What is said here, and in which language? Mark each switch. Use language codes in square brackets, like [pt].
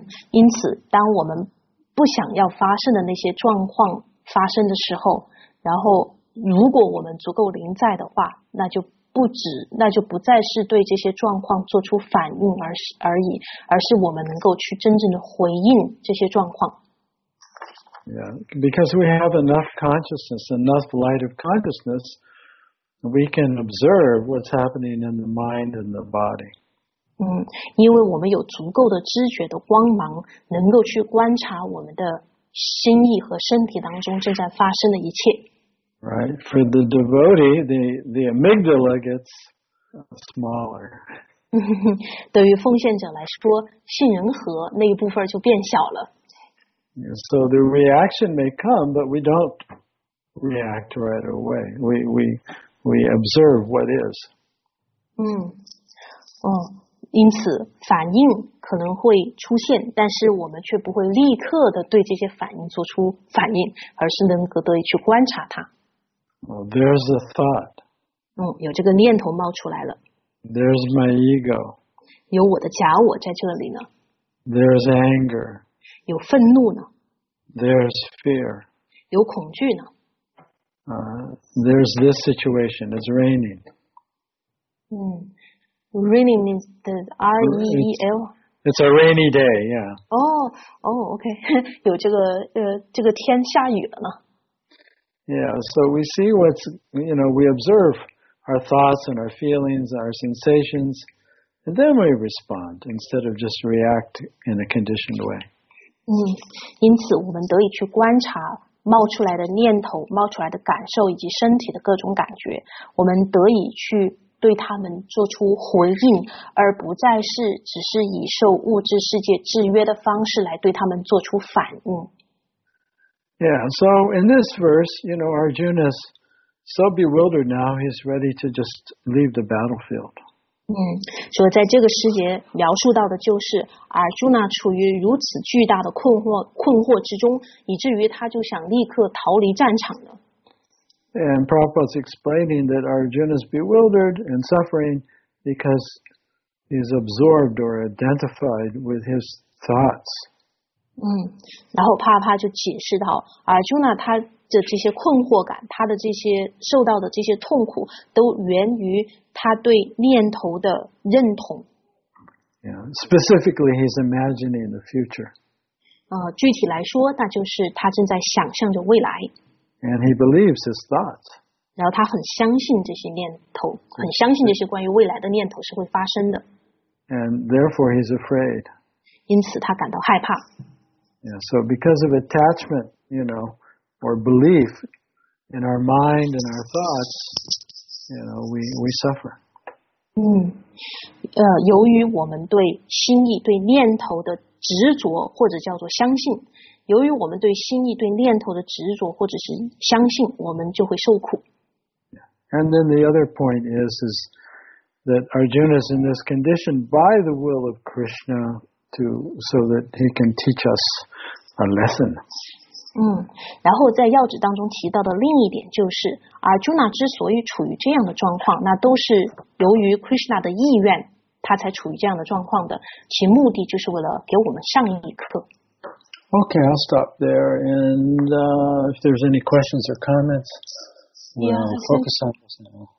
[zh] 因此当我们不想要发生的那些状况发生的时候，然后如果我们足够临在的话，那就不再是对这些状况做出反应而已，而是我们能够去真正的回应这些状况。 [en] Yeah, because we have enough consciousness, enough light of consciousness, we can observe what's happening in the mind and the body. [zh] 因为我们有足够的知觉的光芒，能够去观察我们的心意和身体当中正在发生的一切。 [en] Right, for the devotee, the amygdala gets smaller. [zh] 对于奉献者来说，杏仁核那一部分就变小了。 [en] So the reaction may come, but we don't react right away. We observe what is. [zh] 因此反应可能会出现，但是我们却不会立刻的对这些反应做出反应，而是能够得以去观察它。 [en] Well, there's a thought. [zh] 有这个念头冒出来了。 [en] There's my ego. [zh] 有我的假我在这里呢。 [en] There's anger. [zh] 有愤怒呢。 [en] There's fear. [zh] 有恐惧呢。 [en] There's this situation. It's raining. Raining means the R-E-E-L. It's a rainy day, yeah. Okay. [zh] 有这个这个天下雨了呢。 [en] Yeah, so we see what's, you know, we observe our thoughts and our feelings, our sensations, and then we respond instead of just react in a conditioned way. [zh] 因此我们得以去观察冒出来的念头、冒出来的感受以及身体的各种感觉，我们得以去对他们做出回应，而不再是只是以受物质世界制约的方式来对他们做出反应。 [en] Yeah, so in this verse, you know, Arjuna is so bewildered now, he's ready to just leave the battlefield. [zh] 所以在这个诗节描述到的就是 Arjuna 处于如此巨大的困惑之中，以至于他就想立刻逃离战场了。 [en] And Prabhupada's explaining that Arjuna is bewildered and suffering because he's absorbed or identified with his thoughts. [zh] 然后帕帕就解释到阿朱娜他的这些困惑感，他的这些受到的这些痛苦都源于他对念头的认同。 [en] Specifically, he's imagining the future. [zh] 具体来说那就是他正在想象着未来。 [en] And he believes his thoughts. [zh] 然后他很相信这些念头，很相信这些关于未来的念头是会发生的。 [en] And therefore he's afraid. [zh] 因此他感到害怕。 [en] Yeah, so because of attachment, you know, or belief in our mind and our thoughts, you know, we suffer. [zh] 由于我们对心意、对念头的执着，或者叫做相信，由于我们对心意、对念头的执着，或者是相信，我们就会受苦。 [en] And then the other point is that Arjuna is in this condition by the will of Krishna. So that he can teach us a lesson. [zh] 然后在要旨当中提到的另一点就是 ，Arjuna 之所以处于这样的状况，那都是由于 Krishna 的意愿，他才处于这样的状况的。其目的就是为了给我们上一课。 [en] Okay, I'll stop there. And if there's any questions or comments, focus on this now.